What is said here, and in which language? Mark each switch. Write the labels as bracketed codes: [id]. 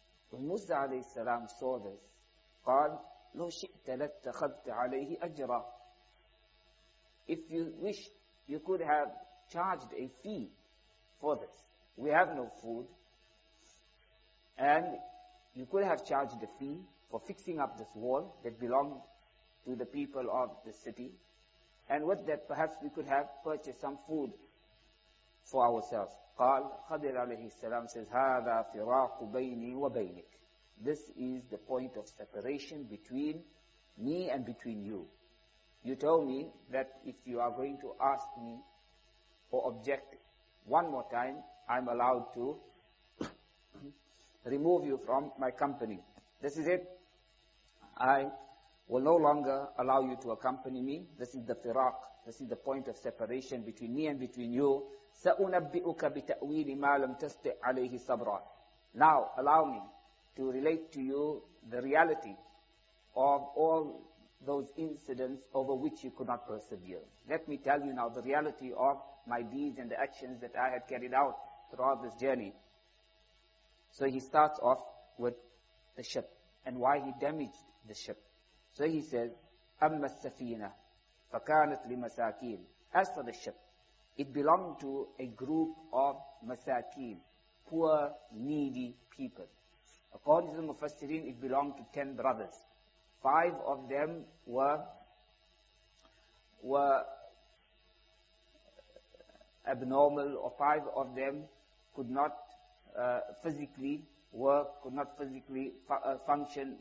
[en] When Musa alayhi salam saw this, [ar] قال لو شئت لاتخذت عليه أجرا, [en] if you wish, you could have charged a fee for this. We have no food, and you could have charged a fee for fixing up this wall that belonged to the people of the city. And with that, perhaps we could have purchased some food for ourselves. [ar] قال خضر عليه السلام [en] says, [ar] هذا فراق بيني وبينك. [en] This is the point of separation between me and between you. You told me that if you are going to ask me or object one more time, I'm allowed to remove you from my company. This is it. I will no longer allow you to accompany me. This is the firaq. This is the point of separation between me and between you. [ar] سَأُنَبِّئُكَ بِتَأْوِيلِ مَا لَمْ تَسْتِعْ عَلَيْهِ صَبْرًا. [en] Now, allow me to relate to you the reality of all those incidents over which you could not persevere. Let me tell you now the reality of my deeds and the actions that I had carried out throughout this journey. So he starts off with the ship and why he damaged the ship. So he says, [ar] أَمَّا السَّفِينَةِ فَكَانَتْ لِمَسَاكِينَ. [en] As for the ship, it belonged to a group of masakeen, poor, needy people. According to the Mufassirin, it belonged to 10 brothers. 5 of them were abnormal, or 5 of them could not physically work, could not physically function.